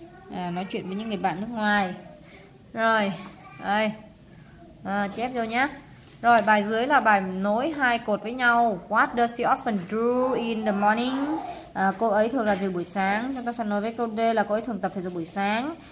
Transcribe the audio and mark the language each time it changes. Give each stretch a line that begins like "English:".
Vietnamese: Nói chuyện với những người bạn nước ngoài. Rồi, đây. Chép vô nhé. Rồi, bài dưới là bài nối hai cột với nhau.
English: What does she often do in the morning?
Vietnamese: Cô ấy thường làm gì buổi sáng? Chúng ta sẽ nói với câu D là cô ấy thường tập thể dục buổi sáng.